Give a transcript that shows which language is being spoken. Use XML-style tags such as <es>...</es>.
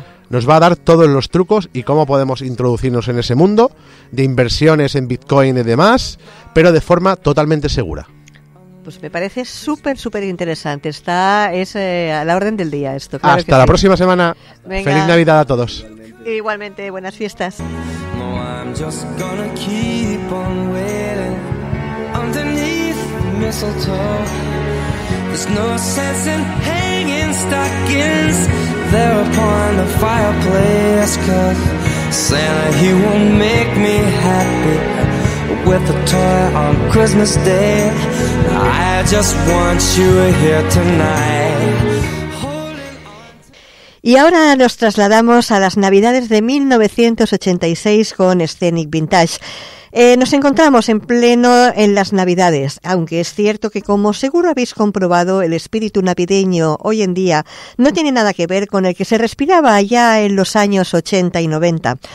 <es>Nos va a dar todos los trucos y cómo podemos introducirnos en ese mundo de inversiones en Bitcoin y demás, pero de forma totalmente segura. Pues me parece súper, súper interesante. Es a la orden del día esto. Claro. Hasta que la sí. Próxima semana. Venga. Feliz Navidad a todos. Igualmente, buenas fiestas.</es> <en>No, I'm just gonna keep on waiting. Underneath the mistletoe, there's no sense in hanging stockings there upon the fireplace, 'cause Santa, he won't make me happy with a toy on Christmas Day. I just want you here tonight.</en> <es>Y ahora nos trasladamos a las Navidades de 1986 con Scenic Vintage. Nos encontramos en pleno en las Navidades, aunque es cierto que, como seguro habéis comprobado, el espíritu navideño hoy en día no tiene nada que ver con el que se respiraba allá en los años 80 y 90.</es>